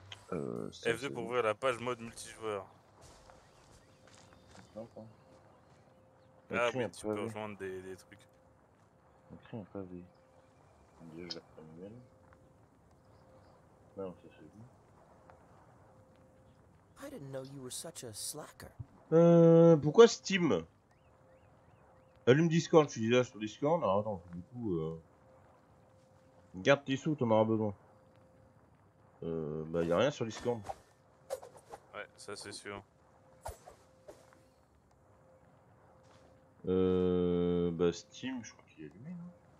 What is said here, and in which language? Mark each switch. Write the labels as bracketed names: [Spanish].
[French] F2 pour ouvrir la page mode multijoueur. tu peux rejoindre des trucs. Écris un pavé. Un dieu, je vais faire une Non, c'est celui. [English] I didn't know you were such a slacker. [French] Pourquoi Steam? Allume Discord, je suis déjà sur Discord. Alors attends, du coup, garde tes sous, t'en auras besoin. Bah y'a rien sur Discord. Ouais, ça c'est sûr. Bah Steam, je crois qu'il est allumé, non?